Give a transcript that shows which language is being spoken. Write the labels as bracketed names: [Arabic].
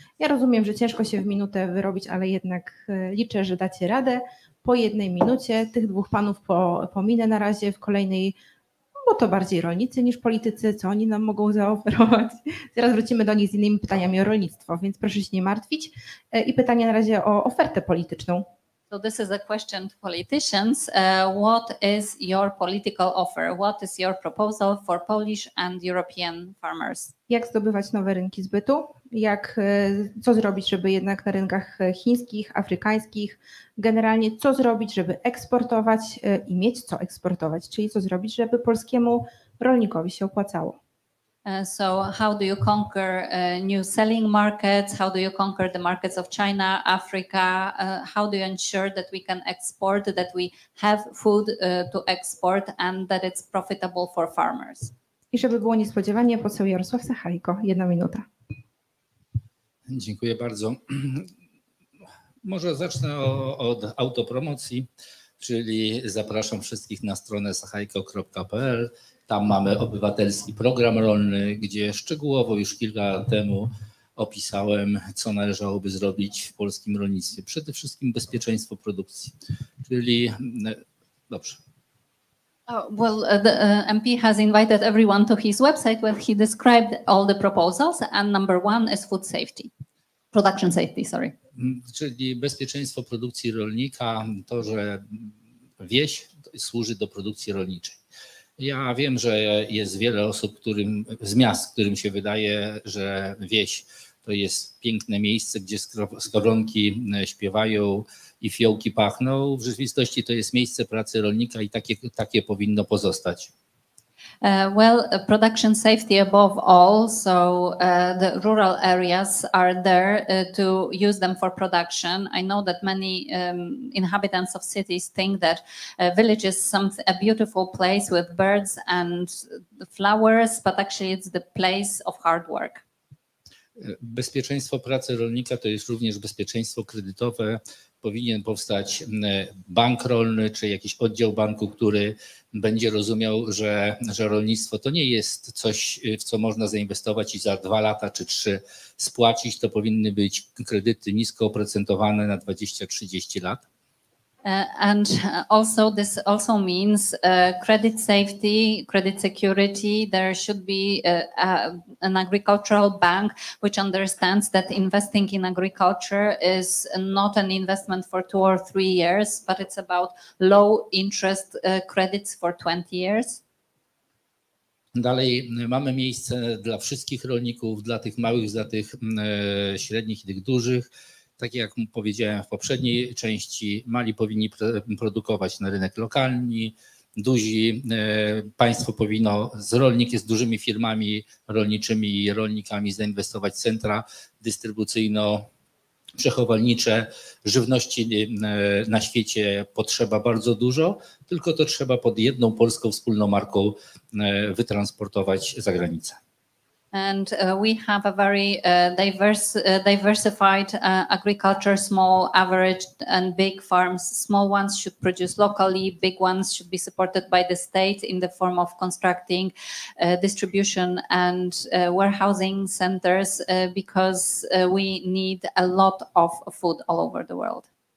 [Polish] Ja rozumiem, że ciężko się w minutę wyrobić, ale jednak liczę, że dacie radę. Po jednej minucie tych dwóch panów pominę na razie w kolejnej, bo to bardziej rolnicy niż politycy, co oni nam mogą zaoferować. Zaraz wrócimy do nich z innymi pytaniami o rolnictwo, więc proszę się nie martwić. I pytanie na razie o ofertę polityczną. [English] So this is a question to politicians. What is your political offer? What is your proposal for Polish and European farmers? [Polish] Jak zdobywać nowe rynki zbytu? Jak, co zrobić, żeby jednak na rynkach chińskich, afrykańskich, generalnie co zrobić, żeby eksportować i mieć co eksportować, czyli co zrobić, żeby polskiemu rolnikowi się opłacało? [English] So how do you conquer new selling markets? How do you conquer the markets of China, Africa? How do you ensure that we can export, that we have food to export and that it's profitable for farmers? [Polish] I żeby było niespodziewanie, poseł Jarosław Sachajko, jedna minuta. Dziękuję bardzo. Może zacznę od autopromocji, czyli zapraszam wszystkich na stronę sachajko.pl. Tam mamy obywatelski program rolny, gdzie szczegółowo już kilka lat temu opisałem, co należałoby zrobić w polskim rolnictwie. Przede wszystkim bezpieczeństwo produkcji, czyli dobrze. [English] Well, the MP has invited everyone to his website where he described all the proposals and number one is food safety, production safety, sorry. [Polish] Czyli bezpieczeństwo produkcji rolnika, to, że wieś służy do produkcji rolniczej. Ja wiem, że jest wiele osób, z miast, którym się wydaje, że wieś to jest piękne miejsce, gdzie skowronki śpiewają i fiołki pachną. W rzeczywistości to jest miejsce pracy rolnika i takie powinno pozostać. [English] Well, production safety above all, so the rural areas are there to use them for production. I know that many inhabitants of cities think that a village is a beautiful place with birds and flowers, but actually it's the place of hard work. [Polish] Bezpieczeństwo pracy rolnika to jest również bezpieczeństwo kredytowe. Powinien powstać bank rolny czy jakiś oddział banku, który będzie rozumiał, że rolnictwo to nie jest coś, w co można zainwestować i za 2 lata czy 3 spłacić. To powinny być kredyty nisko oprocentowane na 20-30 lat. [English] And also this also means credit safety, credit security. There should be an agricultural bank which understands that investing in agriculture is not an investment for 2 or 3 years, but it's about low interest credits for 20 years. [Polish] Dalej mamy miejsce dla wszystkich rolników, dla tych małych, dla tych średnich i tych dużych. Tak jak powiedziałem w poprzedniej części, mali powinni produkować na rynek lokalny, duzi, państwo powinno, z rolnik jest dużymi firmami rolniczymi i rolnikami, zainwestować w centra dystrybucyjno-przechowalnicze. Żywności na świecie potrzeba bardzo dużo, tylko to trzeba pod jedną polską wspólną marką wytransportować za granicę. [English] And we have a very diversified agriculture, small, average and big farms. Small ones should produce locally, big ones should be supported by the state in the form of constructing distribution and warehousing centers because we need a lot of food all over the world.